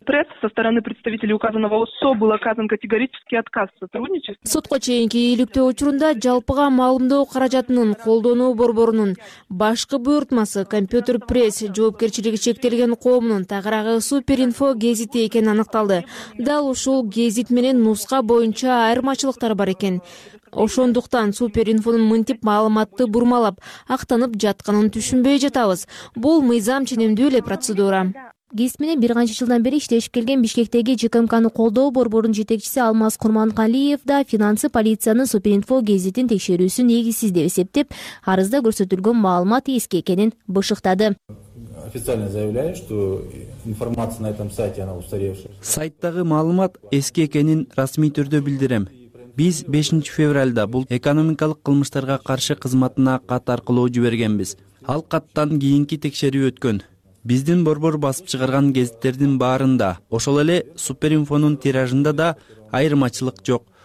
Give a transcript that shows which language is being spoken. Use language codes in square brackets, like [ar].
[ru] Пресса со стороны представителей указанного УСО был оказан категорический отказ сотрудничества. [ky] Сотко чейинки иликтөө учурунда жалпыга маалымдоо каражатынын колдонуу борборунун башкы буйрутмасы компьютер пресс жоопкерчилиги чектелген коомунун тагыраагы Суперинфо гезити экени аныкталды. Дал ушул гезит менен нуска боюнча айырмачылыктар бар экен. Ошондуктан Суперинфонун мынтип маалыматты бурмалап, актанып жатканын түшүнбөй жатабыз. Бул мыйзам ченемдүү эле процедура. Гезит менен бир канча жылдан бери иштешип келген Бишкектеги ЖКМКны колдоо борборунун жетекчиси Алмаз Курманкалиев да финансы полициянын Суперинфо гезитин текшерүүсү негизсиз деп эсептеп, арызда көрсөтүлгөн маалымат эски экенин бышыктады. [ru] Официально заявляю, что информация на этом сайте она устаревшая. [ky] Сайттагы маалымат эски экенин расмий түрдө билдирем. Биз 5 февралда бул экономикалык кылмыштарга каршы кызматына кат аркылуу жибергенбиз. Ал каттан кийинки текшерүү өткөн. Биздин борбор басып чыгарган гезиттердин баарында, ошол эле Суперинфонун тиражында да айырмачылык жок.